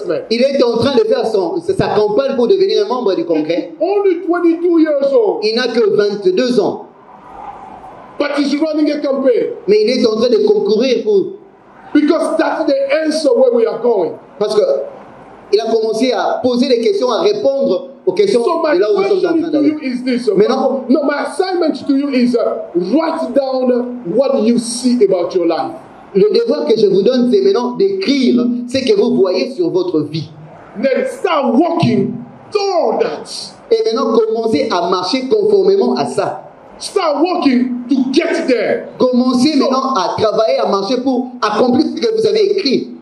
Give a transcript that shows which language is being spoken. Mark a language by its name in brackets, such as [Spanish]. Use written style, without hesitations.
[French] Il est en train de faire sa campagne pour devenir un membre du Congrès. [English] Only 22 years old. [French] Il n'a que 22 ans. [English] But he's running a campaign. [French] Mais il est en train de concourir pour. [English] Because that's the answer where we are going. [French] Parce que il a commencé à poser des questions, à répondre aux questions [English] so [French] de là où nous sommes en train d'aller. [English] My assignment to you is write down what you see about your life. [French] Le devoir que je vous donne, c'est maintenant d'écrire ce que vous voyez sur votre vie. [English] Then start walking toward that. [French] Et maintenant, commencez à marcher conformément à ça. [English] Start walking to get there. [French] Commencez maintenant à travailler, à marcher pour accomplir ce que vous avez écrit.